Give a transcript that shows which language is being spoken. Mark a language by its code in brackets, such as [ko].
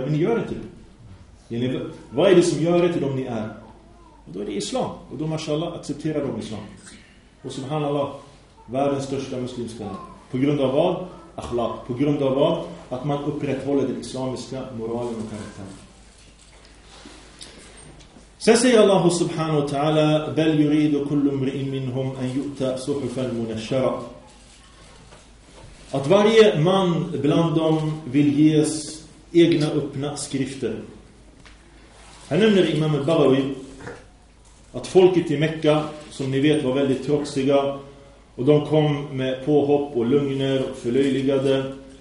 [sv] Men ni gör det till. Vad är det som gör det till dem ni är? Och då är det islam. Och då, mashallah, accepterar de islam. Och subhanallah, världens största muslimska. På grund av vad? Akhlaq. På grund av vad? Att man upprätthåller den islamiska moralen och karaktären. Sen säger Allah subhanahu wa ta'ala [ar] بَلْ يُرِيدُ كُلُّ امْرِئٍ مِّنْهُمْ أَنْ يُؤْتَى صُحُفًا مُنَشَّرًا. [sv] Att varje man bland dem vill ges egna öppna skrifter. Här nämner Imam al-Baghawi Att folket i Mekka, som ni vet, var väldigt trotsiga. Och de kom med påhopp och lögner och förlöjligade.